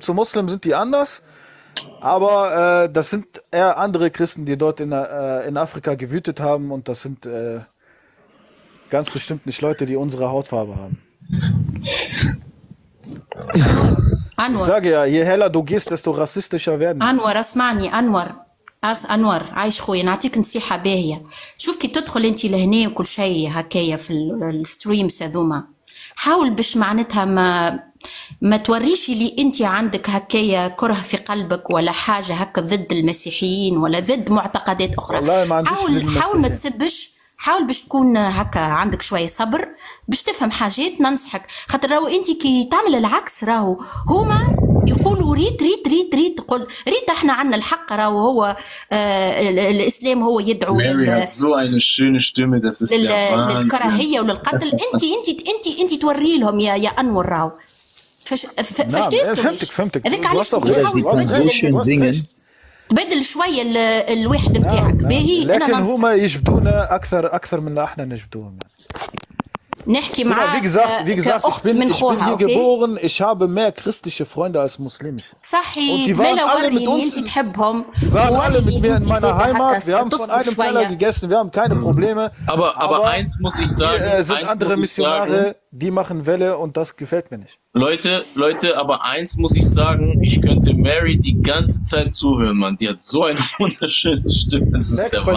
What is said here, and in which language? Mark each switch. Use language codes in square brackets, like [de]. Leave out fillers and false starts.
[de] Zu Muslim sind die anders, aber das sind eher andere Christen, die dort in Afrika gewütet haben und das sind ganz bestimmt nicht Leute, die unsere Hautfarbe haben. Anwar. Ich sage ja, je heller du gehst, desto rassistischer werden. [ar] Anwar, عايش خويا نعطيك نصيحه باهيه شوف كي تدخل انت لهنا وكل شيء هكايا في الستريمز هذوما حاول باش معناتها ما توريش لي انت عندك هكايا كره في قلبك ولا حاجه هكا ضد المسيحيين ولا ضد معتقدات اخرى حاول ما تسبش حاول باش تكون هكا عندك شويه صبر باش تفهم حاجات ننصحك خاطر راهو انت كي تعمل العكس راهو هما يقولوا ريت ريت ريت ريت تقول ريت احنا عنا الحق راهو هو الاسلام هو يدعو للكراهيه وللقتل انت توري لهم يا انور راهو [de] فشتيست [ar] فهمتك هذاك علاش تقول تبدل شويه الواحد نتاعك باهي لكن هما يجبدونا اكثر من احنا نجبدوهم نحكي مع اخت من خوها [de] ich habe mehr christliche freunde als muslimische [ar] صحيح ملا وريني انت تحبهم وريني انت [de] in meiner heimat wir haben von einem teller gegessen wir haben keine probleme aber eins muss ich sagen sind andere missionare die machen welle und das gefällt mir nicht leute aber eins muss ich sagen ich könnte mary die ganze zeit zuhören man die hat so eine wunderschöne stimme es ist der wahnsinn